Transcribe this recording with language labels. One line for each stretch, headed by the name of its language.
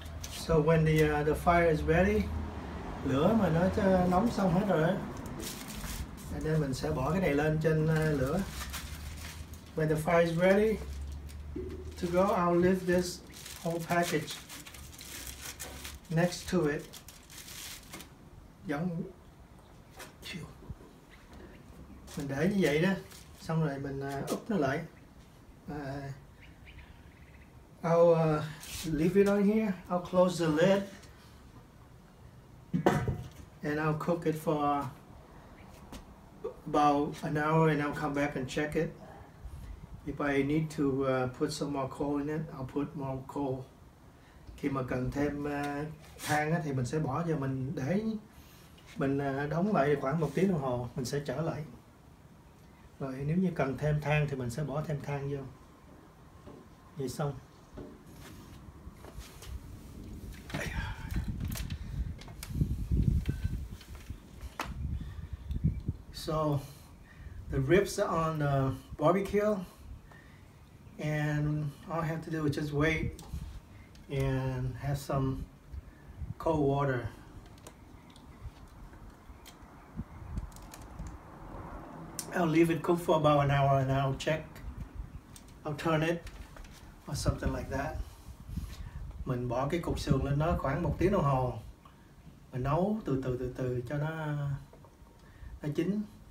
English: So when the fire is ready,
Vietnamese: lửa mà nó nóng xong hết rồi,
English: and then
Vietnamese: mình sẽ bỏ cái này lên trên lửa.
English: When the fire is ready to go, I'll leave this whole package next to it.
Vietnamese: Giống chiều. Mình để như vậy đó, xong rồi mình úp nó lại.
English: I'll leave it on here. I'll close the lid and I'll cook it for about an hour, and I'll come back and check it. If I need to put some more coal in it, I'll put more coal.
Vietnamese: Khi mà cần thêm than thì mình sẽ bỏ vào, mình để mình đóng lại khoảng một tiếng đồng hồ, mình sẽ trở lại. Rồi nếu như cần thêm than thì mình sẽ bỏ thêm than vô. Vậy xong.
English: So the ribs are on the barbecue, and all I have to do is just wait and have some cold water. I'll leave it cook for about an hour and I'll check. I'll turn it or something like that.
Vietnamese: Mình bỏ cái cục sườn lên nó khoảng một tiếng đồng hồ. Mình nấu từ từ cho nó chín.